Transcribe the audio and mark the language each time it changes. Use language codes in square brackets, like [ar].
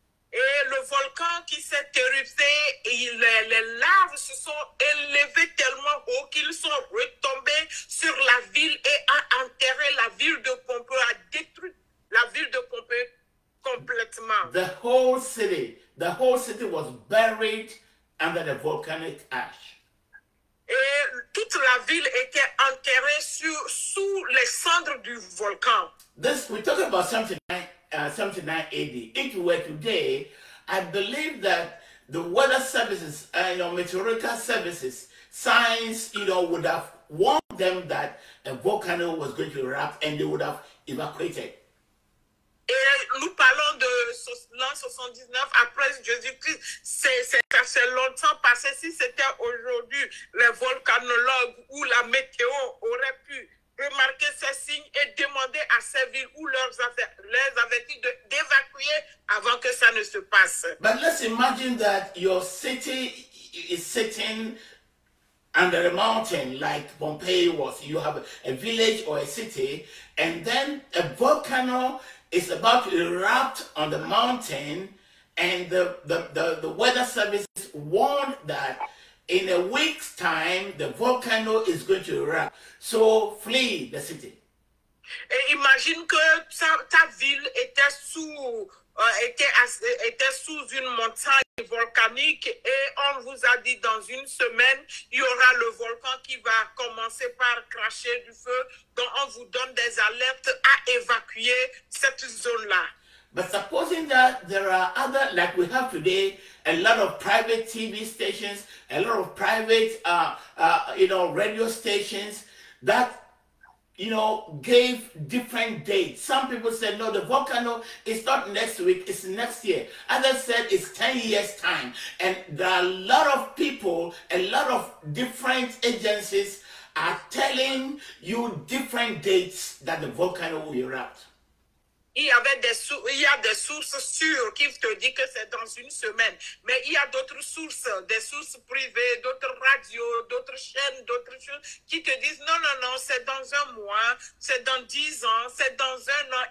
[fr] Et le volcan qui s'est érupté, les laves se sont élevées tellement haut qu'ils sont retombés sur la ville et a enterré la ville de Pompeii, a détruit la ville de Pompeii complètement. [en] The whole city was buried under the volcanic ash. [fr] Et toute la ville était enterrée sous les cendres du volcan. [en] This, we talk about something. 79 AD. If it were today, I believe that the weather services and your meteorological services, science, you know, would have warned them that a volcano was going to erupt and they would have evacuated. [fr] Et nous parlons de l'an 79 après Jésus-Christ. C'est longtemps passé. Si c'était aujourd'hui, les volcanologues ou la météo auraient pu remarquer ces signes et demander à ces villes ou leurs affaires avertis d'évacuer avant que ça ne se passe. [en] But let's imagine that your city is sitting under a mountain like Pompeii was. You have a village or a city, and then a volcano is about to erupt on the mountain, and the weather service warned that in a week's time, the volcano is going to erupt. So flee the city. [fr] Et imagine que ta ville était sous une montagne volcanique et on vous a dit dans une semaine, il y aura le volcan qui va commencer par cracher du feu. Donc on vous donne des alertes à évacuer cette zone-là. [en] But supposing that there are other, like we have today, a lot of private TV stations, a lot of private, radio stations that, you know, gave different dates. Some people said, no, the volcano is not next week, it's next year. Others said it's 10 years time. And there are a lot of people, a lot of different agencies are telling you different dates that the volcano will erupt. [fr] Il y avait des sources, il y a des sources sûres qui te disent que c'est dans une semaine, mais il y a d'autres sources, des sources privées, d'autres radios, d'autres chaînes, d'autres choses qui te disent non, non, non, c'est dans un mois, c'est dans 10 ans, c'est dans un an.